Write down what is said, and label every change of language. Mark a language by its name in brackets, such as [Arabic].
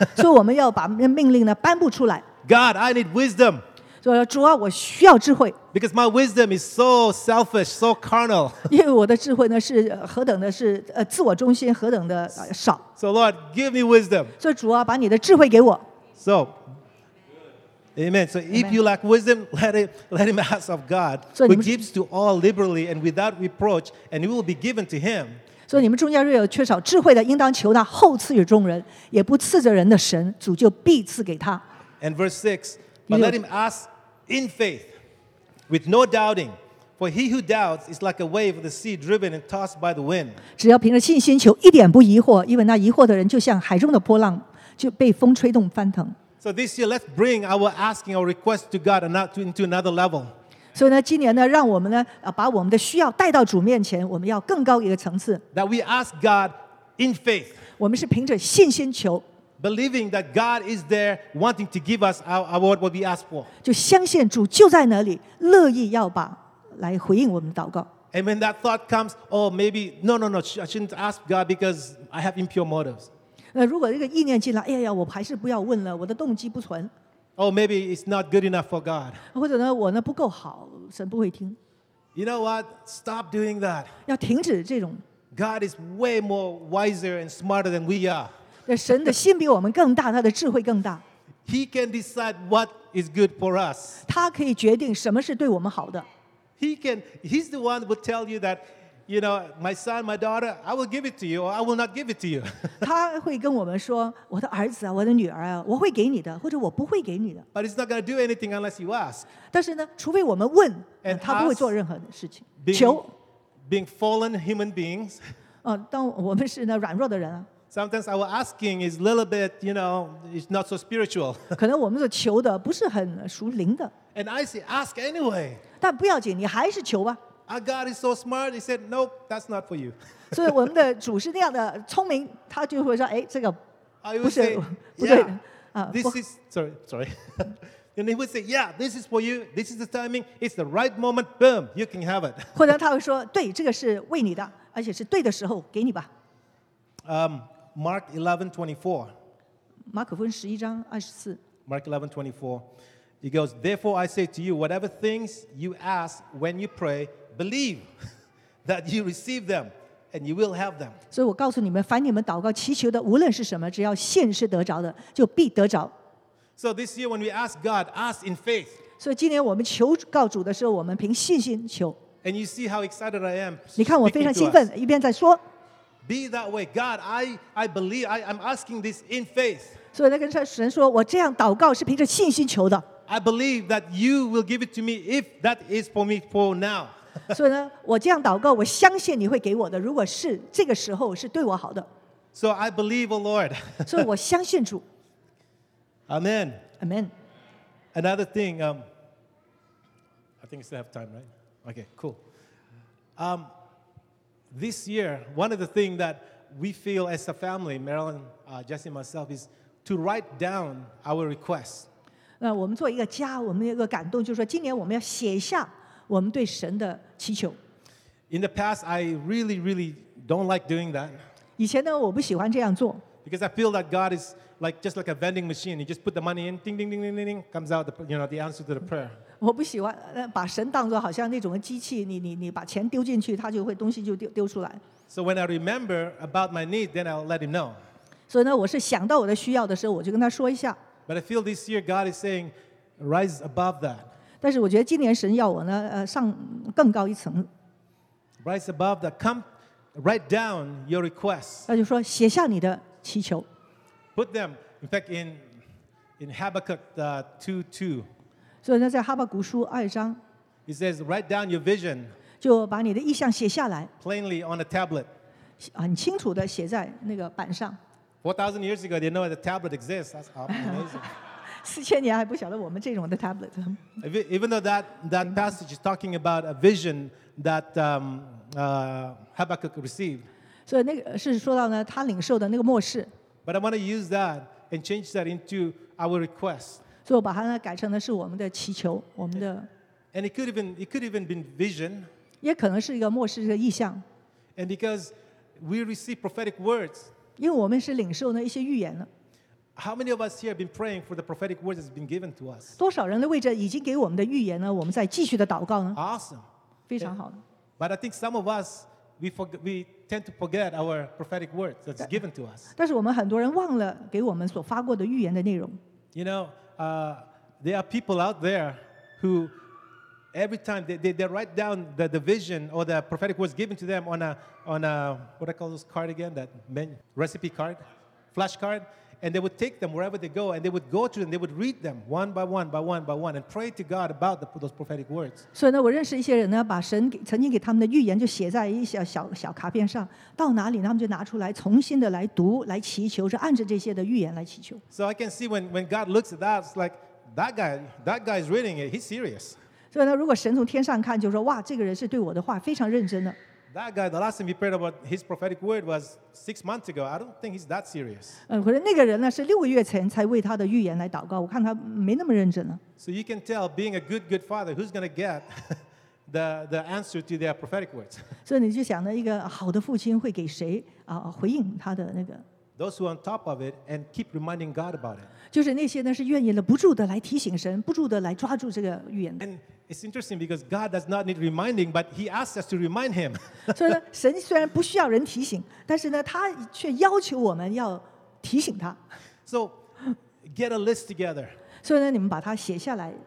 [Chinese] 所以我们要把命令呢颁布出来。 [English] God, I need wisdom. [Chinese] 所以主啊，我需要智慧。 [English] Because my wisdom is so selfish, so carnal. [Chinese] 因为我的智慧呢是何等的是自我中心，何等的少。 [English] So Lord, give me wisdom. [Chinese] 所以主啊，把你的智慧给我。 [English] So. Amen. So if you lack wisdom, let him ask of God, who gives to all liberally and without reproach, and it will be given to him. [Chinese] 所以你们中间若有缺少智慧的，应当求那厚赐与众人，也不赐着人的神，主就必赐给他。 [English] And verse 6, but let him ask in faith, with no doubting, for he who doubts is like a wave of the sea driven and tossed by the wind. [Chinese] 只要凭着信心求，一点不疑惑，因为那疑惑的人就像海中的波浪，就被风吹动翻腾。 [English] So this year, let's bring our asking, our request to God, and not into another level. [Chinese] 所以呢，今年呢，让我们呢，把我们的需要带到主面前，我们要更高一个层次。 [English] That we ask God in faith. [Chinese] 我们是凭着信心求。 [English] Believing that God is there, wanting to give us our what we ask for. [Chinese] 就相信主就在那里，乐意要把来回应我们祷告。 [English] And when that thought comes, oh, maybe no, I shouldn't ask God because I have impure motives. [Chinese] 如果这个意念进来，哎呀，我还是不要问了，我的动机不纯。 [English] Oh, maybe it's not good enough for God. [Chinese] 或者呢，我呢不够好，神不会听。 [English] You know what? Stop doing that. [Chinese] 要停止这种。 [English] God is way more wiser and smarter than we are. [Chinese] 神的心比我们更大，他的智慧更大。 [English] He can decide what is good for us. [Chinese] 他可以决定什么是对我们好的。 [English] He's the one who will tell you that. You know, my son, my daughter, I will give it to you, or I will not give it to you. [Chinese] 他会跟我们说，我的儿子啊，我的女儿啊，我会给你的，或者我不会给你的。 [English] But it's not going to do anything unless you ask. [Chinese] 但是呢，除非我们问，他不会做任何的事情。求。 [English] Being fallen human beings. [Chinese] 当我们是呢软弱的人啊。 [English] Sometimes our asking is a little bit, you know, it's not so spiritual. [Chinese] 可能我们所求的不是很属灵的。 [English] And I say, ask anyway. [Chinese] 但不要紧，你还是求吧。 [English] Our God is so smart. He said, "Nope, that's not for you." [Chinese] 所以我们的主是那样的聪明，他就会说，哎，这个不是 [English] This is sorry. And he would say, "Yeah, this is for you. This is the timing. It's the right moment. Boom, you can have it." [Chinese] 或者他会说，对，这个是为你的，而且是对的时候，给你吧。 [English] Mark 11:24. [Chinese] 马可福音十一章二十四。 [English] Mark 11:24. He goes, "Therefore, I say to you, whatever things you ask when you pray, believe that you receive them, and you will have them." [Chinese] 所以我告诉你们，凡你们祷告祈求的，无论是什么，只要信是得着的，就必得着。 [English] So this year, when we ask God, ask in faith. [Chinese] 所以今年我们求告主的时候，我们凭信心求。 [English] And you see how excited I am. [Chinese] 你看我非常兴奋，一边在说。 [English] Be that way, God. I believe. I'm asking this in faith. [Chinese] 所以那个神说，我这样祷告是凭着信心求的。 [English] I believe that you will give it to me if that is for me for now. [Chinese] 所以呢，我这样祷告，我相信你会给我的。如果是这个时候是对我好的。 [English] So I believe, O Lord. [Chinese] 所以我相信主。 [English] Amen. Amen. Another thing. I think we still have time, right? Okay, cool. This year, one of the things that we feel as a family, Marilyn, Jesse, and myself, is to write down our requests. [Chinese] 那我们做一个家，我们有一个感动，就是说今年我们要写下我们对神的祈求。 [English] In the past, I really, really don't like doing that. [Chinese] 以前呢，我不喜欢这样做。 [English] Because I feel that God is like just like a vending machine. You just put the money in, ding, ding, ding, ding, ding, ding, comes out the, you know, the answer to the prayer. [Chinese] 我不喜欢把神当作好像那种机器，你把钱丢进去，它就会东西就丢出来。 [English] So when I remember about my need, then I'll let him know. [Chinese] 所以呢，我是想到我的需要的时候，我就跟他说一下。 [English] But I feel this year God is saying, rise above that. [Chinese] 但是我觉得今年神要我呢，上更高一层。 [English] Rise above that. Come, write down your requests. [Chinese] 那就说写下你的祈求。 [English] Put them, in fact, in Habakkuk 2:2. [Chinese] 所以呢，在哈巴谷书二章。 [English] He says, "Write down your vision." [Chinese] 就把你的意向写下来。 [English] Plainly on a tablet. [Chinese] 很清楚的写在那个板上。 [English] 4,000 years ago, they know the tablet exists. That's amazing. [Chinese] 四千年还不晓得我们这种的 tablet. [English] Even though that passage is talking about a vision that Habakkuk received. [Chinese] 所以那个是说到呢，他领受的那个默示。 [English] But I want to use that and change that into our request. [Chinese] 所以我把它呢改成的是我们的祈求，我们的。 [English] And it could even be vision. [Chinese] 也可能是一个默示的意象。 [English] And because we receive prophetic words. [Chinese] 因为我们是领受呢一些预言了。 [English] How many of us here have been praying for the prophetic words that has been given to us? [Chinese] 多少人呢为着已经给我们的预言呢，我们在继续的祷告呢 [English] ？Awesome. [Chinese] 非常好。 [English] But I think some of us we tend to forget our prophetic words that's given to us. [Chinese] 但是我们很多人忘了给我们所发过的预言的内容。 [English] You know, there are people out there who every time they write down the vision or the prophetic words given to them on a what I call this card again, that menu, recipe card, flash card, and they would take them wherever they go and they would go through and they would read them one by one by one by one and pray to God about those prophetic words. [Chinese] 所以呢，我认识一些人呢，把神曾经给他们的预言就写在一些小卡片上，到哪里他们就拿出来重新的来读，来祈求，是按着这些的预言来祈求。 [English] So I can see when God looks at that, it's like that guy is reading it. He's serious. [Chinese] 所以呢，如果神从天上看，就说哇，这个人是对我的话非常认真的。 [English] That guy, the last time he prayed about his prophetic word was 6 months ago. I don't think he's that serious. [Chinese] 可是那个人呢，是六个月前才为他的预言来祷告。我看他没那么认真了。 [English] So you can tell, being a good father, who's going to get the answer to their prophetic words? [Chinese] 所以你就想呢，一个好的父亲会给谁啊回应他的那个 [English] ？Those who are on top of it and keep reminding God about it. [Chinese] 就是那些呢，是愿意了不住的来提醒神，不住的来抓住这个预言的。 [English] It's interesting because God does not need reminding, but He asks us to remind Him. [Chinese] 所以呢，神虽然不需要人提醒，但是呢，他却要求我们要提醒他。 [English] So, get a list together. [Chinese] 所以呢，你们把它写下来。